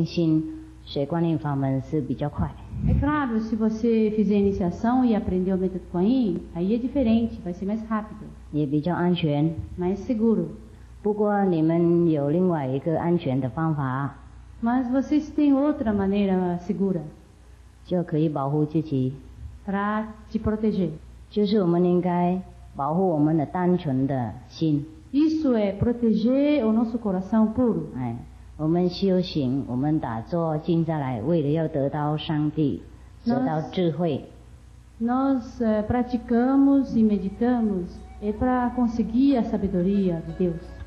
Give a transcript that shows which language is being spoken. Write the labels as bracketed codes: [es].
[zh] 师父也是说佛菩萨的啦，哈，你们不用分别哈。我们去很多国家，不应该每次都讲佛佛，他们不懂。那一样的，一样的啊。当然，跟我们应心学观念法门是比较快。 [pt] É claro, se você fizer a iniciação e aprender o método Kuan Yin, aí é diferente, vai ser mais rápido. [zh] 也比较安全。 [pt] Mais seguro. [zh] 不过你们有另外一个安全的方法。 [pt] Mas vocês têm outra maneira segura. [zh] 就可以保护自己. [pt] Para te proteger. [zh] 就是我们应该保护我们的单纯的心. [pt] Isso é proteger o nosso coração puro. [zh] 哎, 我们修行, 我们打坐, 静下来, 为了要得到上帝, 得到智慧. [pt] Nós praticamos e meditamos é para conseguir a sabedoria de Deus.